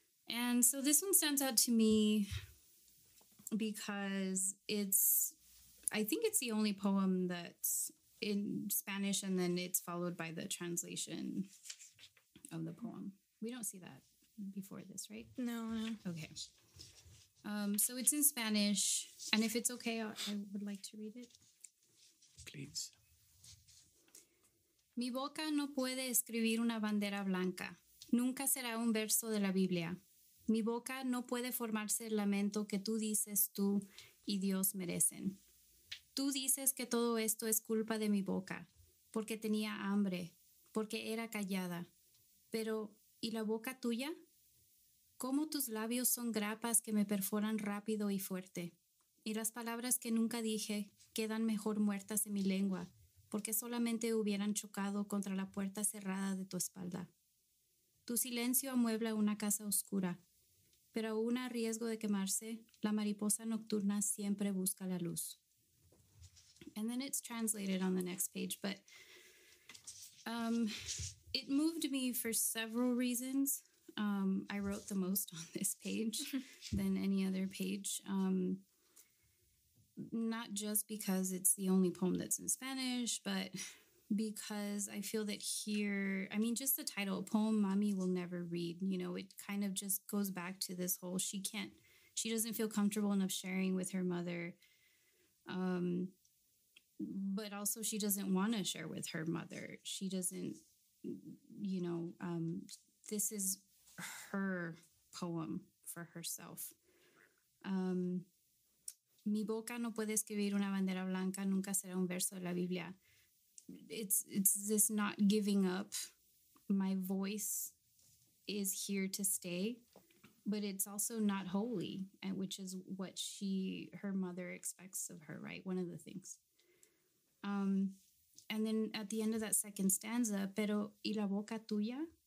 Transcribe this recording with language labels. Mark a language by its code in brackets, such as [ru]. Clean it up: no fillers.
[en] And so this one stands out to me because I think it's the only poem that's in Spanish, and then it's followed by the translation of the poem. We don't see that before this, right? No. Okay. So it's in Spanish, and if it's okay, I would like to read it. Please. [es] Mi boca no puede escribir una bandera blanca. Nunca será un verso de la Biblia. Mi boca no puede formarse el lamento que tú dices tú y Dios merecen. Tú dices que todo esto es culpa de mi boca, porque tenía hambre, porque era callada. Pero, ¿y la boca tuya? ¿Cómo tus labios son grapas que me perforan rápido y fuerte? Y las palabras que nunca dije quedan mejor muertas en mi lengua, porque solamente hubieran chocado contra la puerta cerrada de tu espalda. Tu silencio amuebla una casa oscura, pero aún a riesgo de quemarse, la mariposa nocturna siempre busca la luz. [en] And then it's translated on the next page, but it moved me for several reasons. I wrote the most on this page than any other page. Not just because it's the only poem that's in Spanish, but because I feel that here, I mean, just the title, Poem Mommy Will Never Read, you know, it kind of just goes back to this whole, she doesn't feel comfortable enough sharing with her mother. But also she doesn't want to share with her mother. She doesn't, you know, this is her poem for herself. [es] Mi boca no puede escribir una bandera blanca, nunca será un verso de la Biblia. [en] It's this not giving up. My voice is here to stay, but it's also not holy, and which is what her mother expects of her, right? One of the things. And then at the end of that second stanza, [es] pero y la boca tuya?